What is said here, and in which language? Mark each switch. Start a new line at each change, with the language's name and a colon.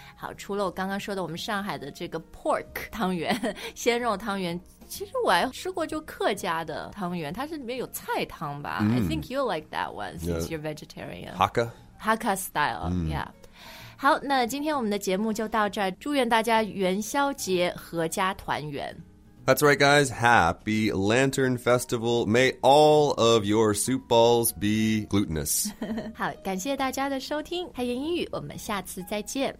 Chinese: 好，除了我刚刚说的我们上海的这个 pork 汤圆，鲜肉汤圆，其实我还吃过就客家的汤圆，它是里面有菜汤吧。
English: I think you'll like that one since you're vegetarian. Hakka? Hakka style, yeah.
Chinese: 好，那今天我们的节目就到这儿，祝愿大家元宵节阖家团圆。
English: That's right, guys. Happy Lantern Festival. May all of your soup balls be glutinous.
Chinese: 好，感谢大家的收听，开言英语，我们下次再见。